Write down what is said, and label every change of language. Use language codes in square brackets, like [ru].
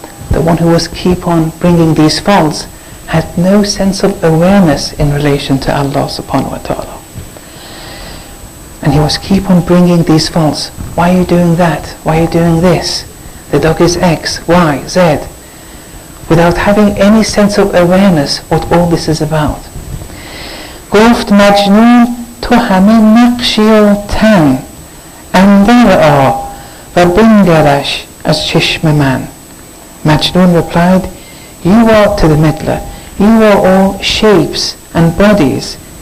[en] The one who was keep on bringing these faults had no sense of awareness in relation to Allah subhanahu wa ta'ala. And he was keep on bringing these faults. Why are you doing that? Why are you doing this? The dog is X, Y, Z. Without having any sense of awareness what all this is about. [fa] گفت مجنون تو همه نقشی و تن اندر آ و بنگرش از چشم من. [en] Majnun replied, you are, to the meddler, you are all shapes and bodies.